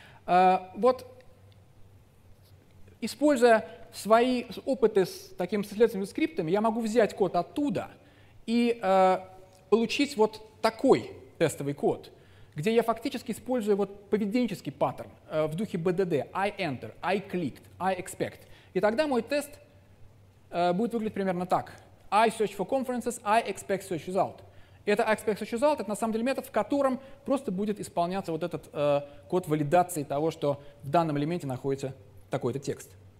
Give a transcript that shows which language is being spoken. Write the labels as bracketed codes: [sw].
[ru] Вот используя свои опыты с таким исследовательными скриптами, я могу взять код оттуда и получить вот такой тестовый код, где я фактически использую вот поведенческий паттерн в духе BDD. [en] I enter, I clicked, I expect. [ru] И тогда мой тест будет выглядеть примерно так. [en] I search for conferences, I expect search result. [ru] Это aspects result, это на самом деле метод, в котором просто будет исполняться вот этот код валидации того, что в данном элементе находится такой-то текст.